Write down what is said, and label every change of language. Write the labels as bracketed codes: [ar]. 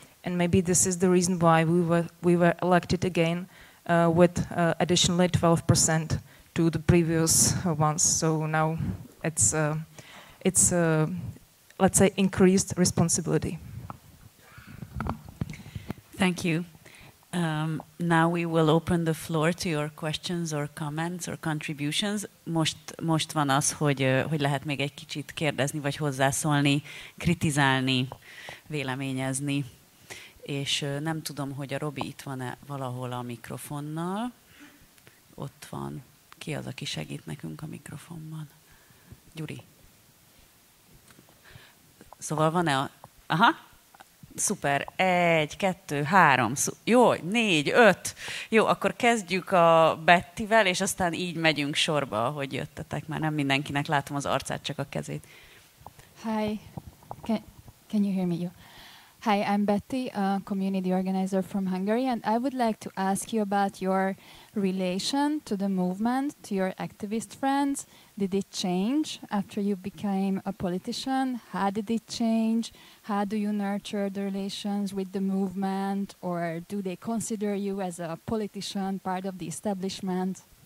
[en] And maybe this is the reason why we were elected again with additionally 12% to the previous ones. So now let's say, increased responsibility. Thank you. Now we will open the floor to your questions or comments or contributions. [hu] Most van az, hogy lehet még egy kicsit kérdezni, vagy hozzászólni, kritizálni, véleményezni. És nem tudom, hogy a Robi itt van-e valahol a mikrofonnal. Ott van. Ki az, aki segít nekünk a mikrofonban? Gyuri. Szóval van-e a... Aha. Szuper. Egy, kettő, három. Jó, négy, öt. Jó, akkor kezdjük a Bettivel, és aztán így megyünk sorba, ahogy jöttetek. Már nem mindenkinek látom az arcát, csak a kezét. [en] Hi. Can you hear me? Hi, I'm Betty, a community organizer from Hungary, and I would like to ask you about your relation to the movement, to your activist friends. Did it change after you became a politician? How did it change? How do you nurture the relations with the movement, or do they consider you as a politician, part of the establishment?